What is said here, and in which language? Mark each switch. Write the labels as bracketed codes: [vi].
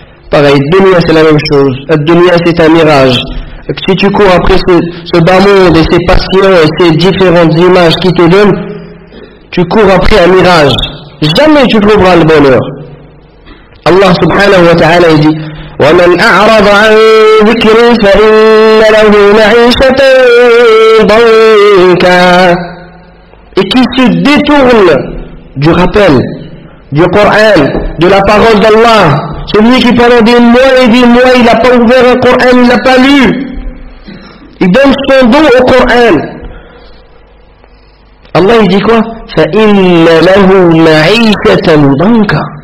[fr] Pareil, Dunia, c'est la même chose. Dunia, c'est un mirage. Si tu cours après ce bas monde et ces passions et ces différentes images qui te donnent, tu cours après un mirage. Jamais tu trouveras le bonheur. Allah subhanahu wa ta'ala dit, [ar] ومن أعرض عن ذكري فإن له معيشة ضنكا. [fr] Et qui se détourne du rappel, du Coran, de la parole d'Allah, celui qui pendant des mois, il n'a pas ouvert un Coran, il n'a pas lu, il donne son dos au Coran. Allah, il dit quoi ? [ar] فَإِنَّ لَهُ مَعِيشَةً ضَنْكًا.